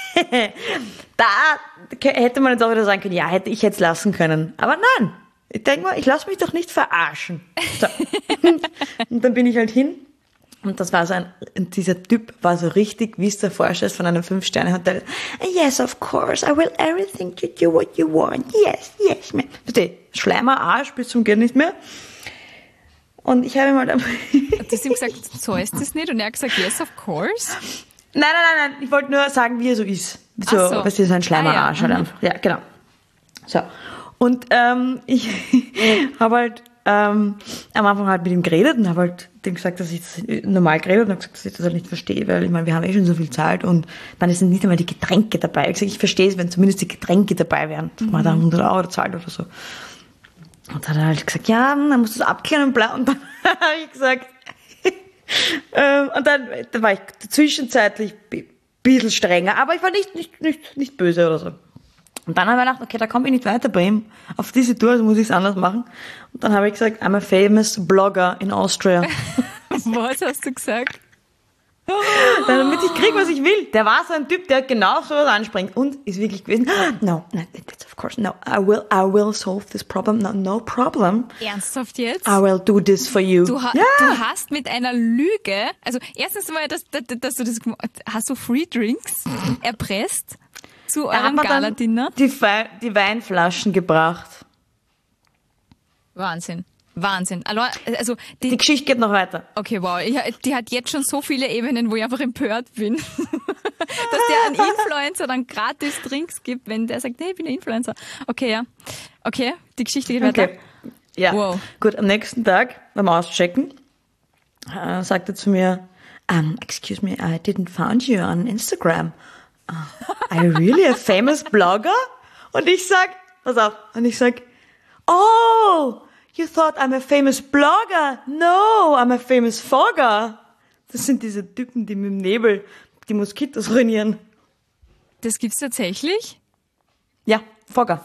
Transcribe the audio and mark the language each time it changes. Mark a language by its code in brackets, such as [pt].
[de] Da hätte man jetzt auch wieder sagen können, ja, ich hätte es lassen können. Aber nein, ich denke mal, ich lasse mich doch nicht verarschen. So. Und dann bin ich halt hin und das war so dieser Typ war so richtig, wie es der Forscher ist von einem Fünf-Sterne-Hotel. [en] Yes, of course, I will everything to do what you want. Yes, man. [de] Bitte, Schleimer Arsch bis zum Gehen nicht mehr. Und ich habe ihm halt einfach... Du hast ihm gesagt, so ist das nicht? Und er hat gesagt, [en] yes, of course? [de] Nein. Ich wollte nur sagen, wie er so ist. So, was ist ein Schleimer Arsch. Ah, ja. Mhm. Ja, genau. So. Und ich habe halt am Anfang halt mit ihm geredet und habe halt dem gesagt, dass ich das normal geredet und habe gesagt, dass ich das halt nicht verstehe, weil ich meine, wir haben eh schon so viel Zeit und dann sind nicht einmal die Getränke dabei. Ich sage, ich verstehe es, wenn zumindest die Getränke dabei wären, dass man da 100 Euro zahlt oder so. Und dann hat er halt gesagt, ja, dann musst du es abklären und bla. Und dann habe ich gesagt, und dann war ich zwischenzeitlich ein bisschen strenger, aber ich war nicht böse oder so. Und dann habe ich gedacht, okay, da komme ich nicht weiter bei ihm. Auf diese Tour muss ich es anders machen. Und dann habe ich gesagt, [en] I'm a famous blogger in Austria. [de] Was hast du gesagt? Damit ich kriege, was ich will. Der war so ein Typ, der genau sowas anspringt und ist wirklich gewesen. [en] No, of course. I will solve this problem. No problem. [de] Ernsthaft jetzt? [en] I will do this for you. [de] Du hast mit einer Lüge, also erstens mal, dass du das gemacht hast, du Free Drinks erpresst zu eurem Galadinner. Die Weinflaschen gebracht. Wahnsinn. Also die Geschichte geht noch weiter. Okay, wow. Die hat jetzt schon so viele Ebenen, wo ich einfach empört bin. Dass der einen Influencer dann gratis Drinks gibt, wenn der sagt, nee, ich bin ein Influencer. Okay, ja. Okay, die Geschichte geht weiter. Okay. Ja. Wow. Gut, am nächsten Tag beim Auschecken sagt er zu mir, [en] excuse me, I didn't find you on Instagram. Are you really a famous blogger? [de] Und ich sag, pass auf, und ich sag, [en] oh, you thought I'm a famous blogger? No, I'm a famous fogger. [de] Das sind diese Typen, die mit dem Nebel die Moskitos ruinieren. Das gibt's tatsächlich? Ja, Fogger.